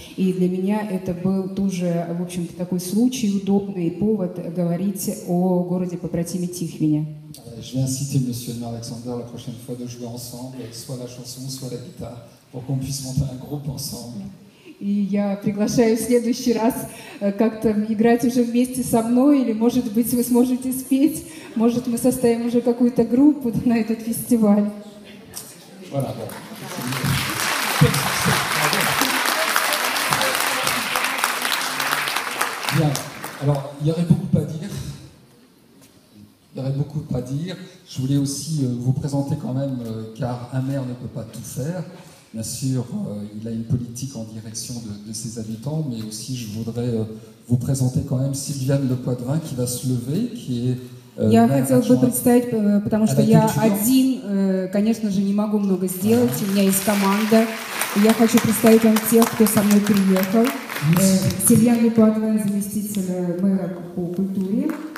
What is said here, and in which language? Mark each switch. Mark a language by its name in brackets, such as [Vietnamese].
[Russian] И для меня это был тоже, в общем-то, такой случай, удобный повод говорить о городе-побратиме Тихвине. [French] Je vais inciter monsieur Alexander la prochaine fois de jouer ensemble, soit la chanson, soit la guitare, pour qu'on puisse monter un groupe ensemble. [Russian] И я приглашаю в следующий раз как-то играть уже вместе со мной, или, может быть, вы сможете спеть, может, мы составим уже какую-то группу на этот фестиваль. [French] Voilà. Bien. Alors, il y aurait beaucoup à dire. Il y aurait beaucoup à dire. Je voulais aussi vous présenter quand même, car un maire ne peut pas tout faire. Bien sûr, il a une politique en direction de ses habitants, mais aussi je voudrais vous présenter quand même Sylviane Le Poitvin qui va se lever, qui est [Russian] Я хотел бы представить, потому что я один, конечно же, не могу много сделать, у меня есть команда. Я хочу представить вам тех, кто со мной приехал. Сильвиан Le Poitvin, заместитель мэра по культуре.